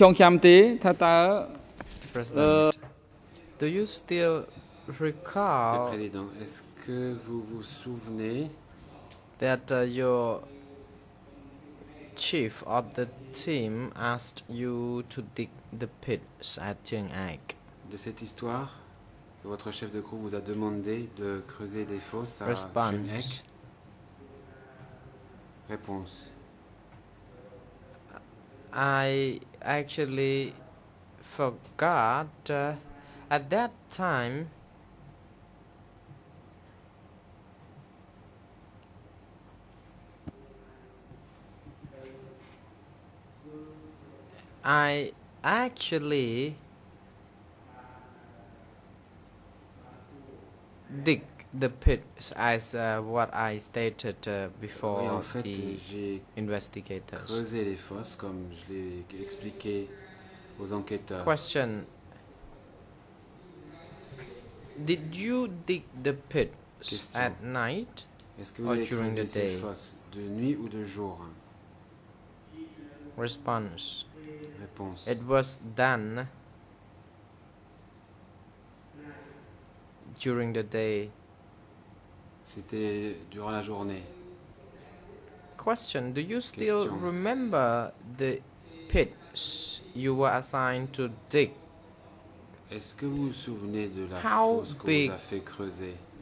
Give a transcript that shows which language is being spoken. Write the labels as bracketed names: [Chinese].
[English] President, do you still recall [French] président, est-ce que vous vous souvenez [English] that your chief of the team asked you to dig the pits at Chuun? [French] De cette histoire, que votre chef de groupe vous a demandé de creuser des fosses à Chuun? Réponse. [English] I actually for God, at that time, I actually dig the pits as what I stated before. [French] Oui, en fait, [English] the investigators. [French] Creuser les fosses comme je l'ai expliqué aux enquêteurs. [English] Question: did you dig the pits at night or during the day? [French] Ces fosses, de nuit ou de jour? [English] Response: [French] réponse. [English] It was done during the day. [French] C'était durant la journée. [English] Question: do you still remember the pits you were assigned to dig? [French] Est-ce que vous vous souvenez de la fosse que vous avez fait creuser?